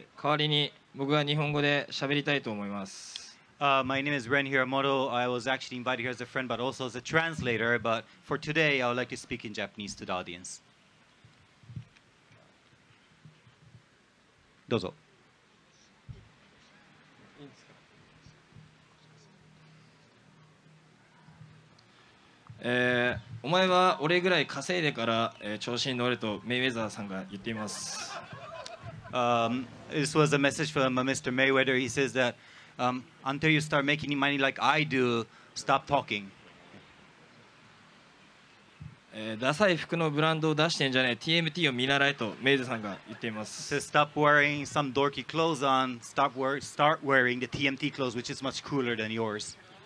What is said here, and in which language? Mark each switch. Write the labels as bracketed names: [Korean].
[Japanese] Hiramoto と申します。今日は通訳で呼んでもらいました。はい、代わりに僕は日本語で喋りたいと思います。 [English] My name is Ren Hiramoto. I was actually invited here as a friend, but also as a translator. But for today, I would like to speak in Japanese to the audience. [Japanese] どうぞ。お前は俺ぐらい稼いでから調子に乗れとメイウェザーさんが言っています。 [English] This was a message from Mr. Mayweather. He says that until you start making money like I do, stop talking. [Japanese] ダサい服のブランドを出してんじゃねえ TMT を見習えとメイゼさんが言っています。 [English] So stop wearing some dorky clothes on, start wearing the TMT clothes, which is much cooler than yours.